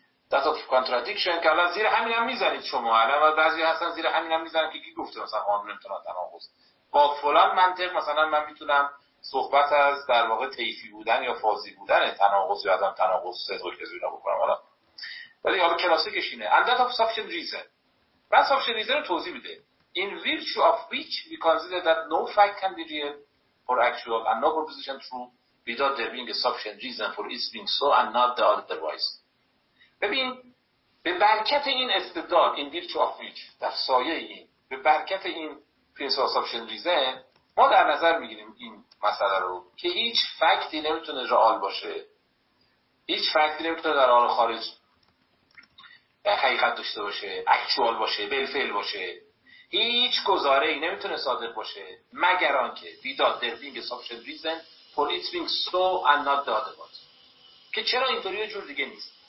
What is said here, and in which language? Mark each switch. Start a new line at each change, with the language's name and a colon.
English: That of contradiction
Persian: که الان زیر همین هم میزنید شما، الان بعضی هستن زیر همین هم میزنن که کی گفته مثلا قانون امتناع تناقض. با فلان منطق مثلا من میتونم صحبت از در واقع طیفی بودن یا فازی بودن تناقض یا عدم تناقض صدق از اینا بکنم، حالا ولی حالا کلاسیکش اینه.
English: And that of sufficient reason،
Persian: بعد
English: sufficient reason
Persian: رو توضیح میده.
English: In virtue of which we consider that no fact can be real or actual and no proposition true without there being a sufficient reason for its being so and not the other wise.
Persian: ببین به برکت این استدلال،
English: in virtue of which،
Persian: در سایه این، به برکت این
English: principle of sufficient reason،
Persian: ما در نظر میگیریم این مسئله رو که هیچ فکتی نمیتونه رئال باشه، هیچ فکتی نمیتونه در حال خارج حقیقت داشته باشه، اکچوال باشه، بالفعل باشه، هیچ گزاره ای نمیتونه صادق باشه مگر آنکه
English: without there being a sufficient reason for its being so and not the other one،
Persian: که چرا اینطوری یه جور دیگه نیست.